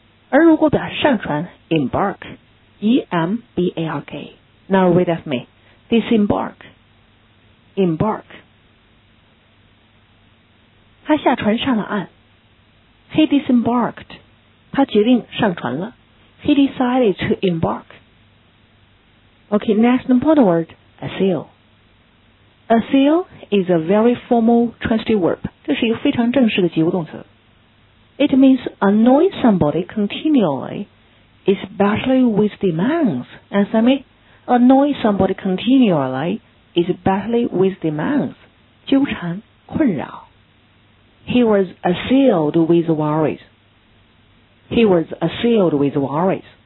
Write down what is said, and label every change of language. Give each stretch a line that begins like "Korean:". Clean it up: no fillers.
Chinese: 而如果表示上船 embark, E-M-B-A-R-K.
English: Now read with me, disembark, embark.
Chinese: 他下船上了岸。
English: He disembarked.
Chinese: 他决定上船了。
English: He decided to embark. Okay, next important word, asail. Asail is a very formal transitive verb.
Chinese: 这是一个非常正式的及物动词。
English: It means annoy somebody continually, especially with demands. Answer me. Annoy somebody continually, especially with demands.
Chinese: 纠缠困扰。
English: He was assailed with worries. He was assailed with worries.